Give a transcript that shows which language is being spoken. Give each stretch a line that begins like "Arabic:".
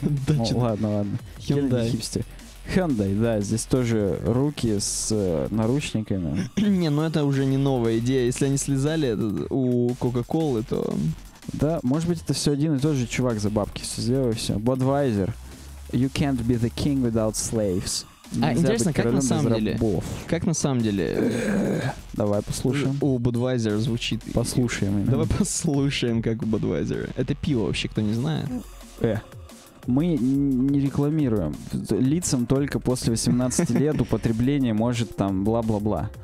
Russian: Да, ладно, ладно. Кеннеди хипстер. Хендай, да, здесь тоже руки с наручниками. Не, ну это уже не новая идея. Если они слезали у Кока-Колы, то... Да, может быть, это все один и тот же чувак за бабки все сделал, и все.
English: Budweiser. You can't be the king without slaves.
Russian: А, интересно, как на самом деле... Рабов. Как на самом деле... Давай послушаем. У Budweiser звучит... Послушаем. Именно. Давай послушаем, как у Budweiser. Это пиво вообще, кто не знает? Мы не рекламируем. Лицам только после 18 лет употребление может там бла-бла-бла.